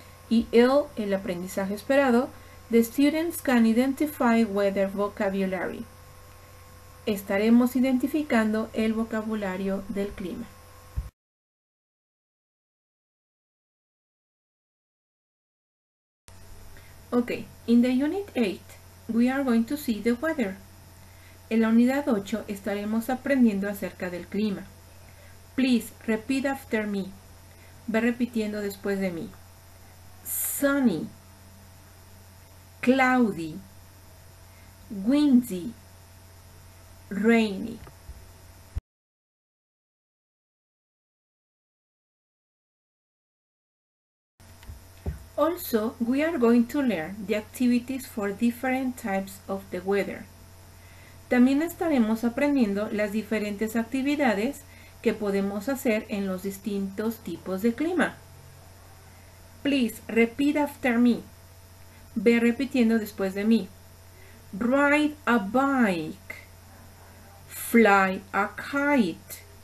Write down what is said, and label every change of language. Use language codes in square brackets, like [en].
[es] Y el aprendizaje esperado, [en] the students can identify weather vocabulary. [es] Estaremos identificando el vocabulario del clima. [en] Okay, in the unit 8, we are going to see the weather. [es] En la unidad 8 estaremos aprendiendo acerca del clima. [en] Please repeat after me. [es] Ve repitiendo después de mí. [en] Sunny, cloudy, windy, rainy. Also, we are going to learn the activities for different types of the weather. [es] También estaremos aprendiendo las diferentes actividades que podemos hacer en los distintos tipos de clima. [en] Please repeat after me. [es] Ve repitiendo después de mí. [en] Ride a bike. Fly a kite.